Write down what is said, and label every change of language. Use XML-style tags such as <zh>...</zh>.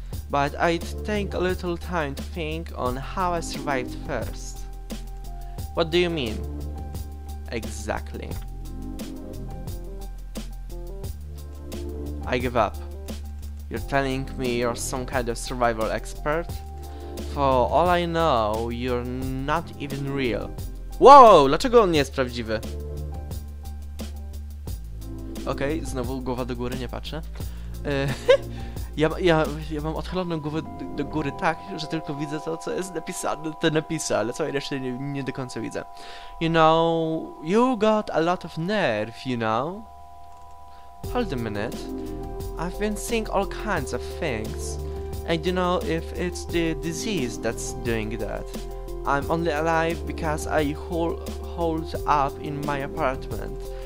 <en>But I'd take a little time to think on how I survived first. What do you mean? Exactly. I give up. You're telling me you're some kind of survival expert? For all I know, you're not even real.</en> <pl>Wow, dlaczego on nie jest prawdziwy? Okej, znowu głowa do góry, nie patrzę. Ja mam odchyloną głowę do góry tak, że tylko widzę to, co jest napisane, te napisy, ale całej reszty nie do końca widzę.</pl> <en>You know, you got a lot of nerve, you know? Hold a minute. I've been seeing all kinds of things. I don't know if it's the disease that's doing that. I'm only alive because I hold up in my apartment.</en>